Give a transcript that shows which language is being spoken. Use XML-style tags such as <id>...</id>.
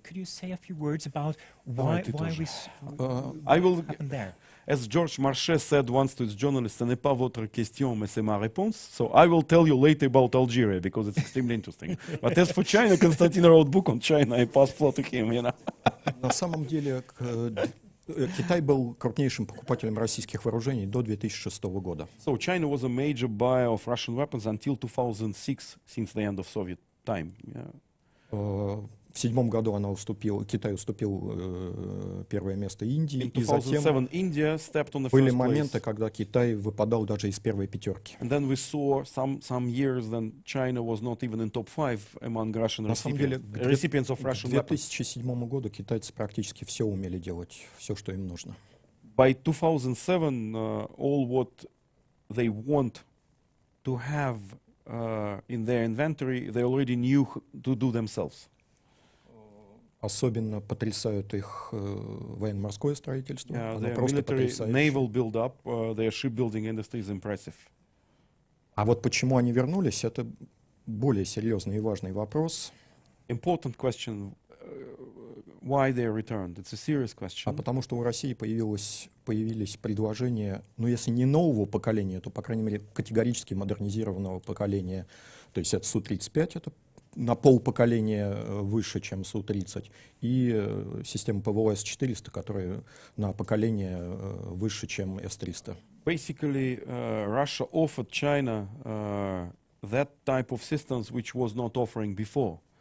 <en>Could you say a few words about why we I will happened there? As George Marchais said once to his journalist,</en> <fr>ce n'est pas votre question, mais c'est ma réponse.</fr> <en>So I will tell you later about Algeria, because it's extremely interesting. But as for China, Konstantin wrote book on China, I pass floor to him, you know.</en> <ru>На самом деле, Китай был крупнейшим покупателем российских вооружений до 2006 года.</ru> <en>So China was a major buyer of Russian weapons until 2006, since the end of Soviet time. Yeah.</en> <ru>В 2007 году Китай уступил первое место Индии, и затем</ru> <en>India stepped on the</en> <ru>были моменты, когда Китай выпадал даже из первой пятерки.</ru> <en>And then we saw some years then China was not even in top five among Russian recipients of Russian weapons.</en> <ru>К 2007 году китайцы практически все умели делать, все, что им нужно.</ru> <en>By 2007, all what they want to have in their inventory, they already knew to do themselves.</en> <ru>Особенно потрясают их военно-морское строительство.</ru> <en>Yeah, their military naval build-up, their shipbuilding industry is impressive.</en> <ru>А вот почему они вернулись, это более серьезный и важный вопрос.</ru> <en>Important question, why they returned. It's a serious question.</en> <ru>А потому что у России появились предложения, ну если не нового поколения, то по крайней мере категорически модернизированного поколения, то есть это Су-35, это на полпоколения выше, чем Су-30, и система ПВО С-400, которая на поколение выше, чем С-300.</ru> <en>Basically, Russia offered China that type of systems, which was not offering before.</en>